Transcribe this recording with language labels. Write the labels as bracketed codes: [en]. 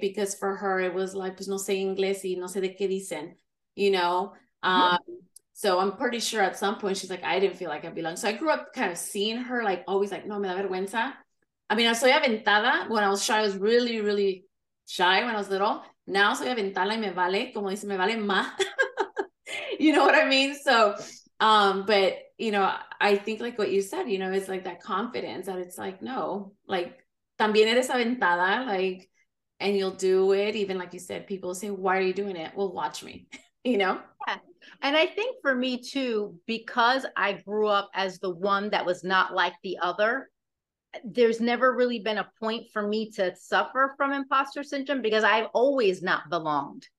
[en] Because for her, it was like, [es] pues no sé inglés y no sé de qué dicen, [en] you know? So I'm pretty sure at some point she's like, I didn't feel like I belonged. So I grew up kind of seeing her like always like, [es] no, me da vergüenza. [en] I mean, I [es] soy aventada. [en] When I was shy, I was really, really shy when I was little. [es] Now soy aventada y me vale, como dice, me vale más. [en] You know what I mean? So, but, you know, I think like what you said, you know, it's like that confidence that it's like, no, like, [es] también eres aventada, [en] like, and you'll do it. Even like you said, people say, why are you doing it? Well, watch me, you know? Yeah. And I think for me too, because I grew up as the one that was not like the other, there's never really been a point for me to suffer from imposter syndrome because I've always not belonged.